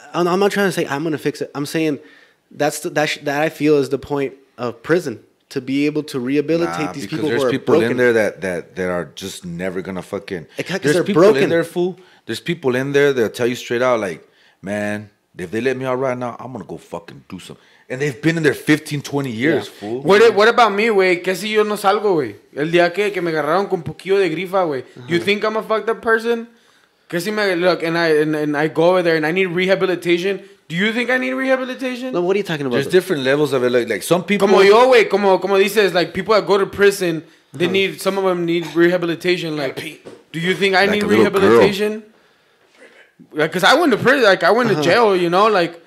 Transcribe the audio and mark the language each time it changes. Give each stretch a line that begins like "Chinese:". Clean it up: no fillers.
English: I'm not trying to say I'm going to fix it. I'm saying that I feel is the point of prison. To be able to rehabilitate these people who are broken. Because there's people in there that are just never going to fucking. Because they're broken. There's people in there, fool. There's people in there that'll tell you straight out, like, man, if they let me out right now, I'm going to go fucking do something. And they've been in there 15, 20 years, fool.
Spanish: What about me, güey? ¿Qué si yo no salgo, güey? El día que me agarraron con un poquillo de grifa, güey.
English: Uh-huh. You think I'm a fucked up person?
Spanish: ¿Qué si me,
English: look, and I go over there and I need rehabilitation? Do you think I need rehabilitation? No, what are you talking about? There's different levels of it. Like some people...
Spanish: Como yo, güey. Como dices,
English: like, people that go to prison, they need, some of them need rehabilitation. Like, do you think I need rehabilitation? Girl. Because I went to prison, like I went to jail, you know, like